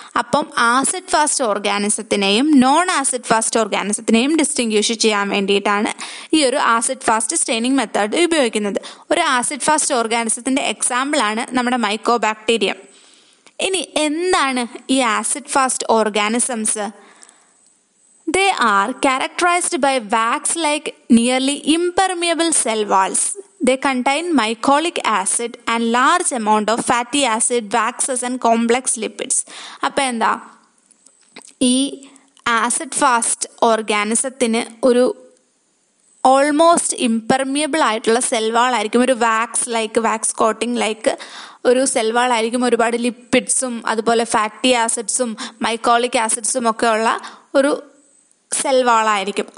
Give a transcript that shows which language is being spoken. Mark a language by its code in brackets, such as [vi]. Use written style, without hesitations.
[ml] അപ്പം acid fast ഓർഗാനിസത്തിനെയും non acid fast ഓർഗാനിസത്തിനെയും distinguish ചെയ്യാൻ വേണ്ടിയിട്ടാണ് ഈ ഒരു ആസിഡ് ഫാസ്റ്റ് സ്റ്റെയിനിങ് മെത്തേഡ് ഉപയോഗിക്കുന്നത്. ഒരു ആസിഡ് ഫാസ്റ്റ് ഓർഗാനിസത്തിൻ്റെ എക്സാമ്പിളാണ് നമ്മുടെ മൈക്കോബാക്ടീരിയം. ഇനി എന്താണ് ഈ acid fast organisms? [en] They are characterized by wax like nearly impermeable cell walls. They contain mycolic acid and large amount of fatty acid, waxes and complex lipids. [ml] അപ്പോൾ എന്താ, ഈ ആസിഡ് ഫാസ്റ്റ് ഓർഗാനിസത്തിന് ഒരു almost impermeable ആയിട്ടുള്ള സെൽവാളായിരിക്കും, ഒരു wax like wax coating like ഒരു സെൽവാളായിരിക്കും ഒരുപാട് ലിപ്പിഡ്സും അതുപോലെ fatty ആസിഡ്സും മൈക്കോളിക് ആസിഡ്സും ഒക്കെ ഉള്ള ഒരു സെൽവാളായിരിക്കും.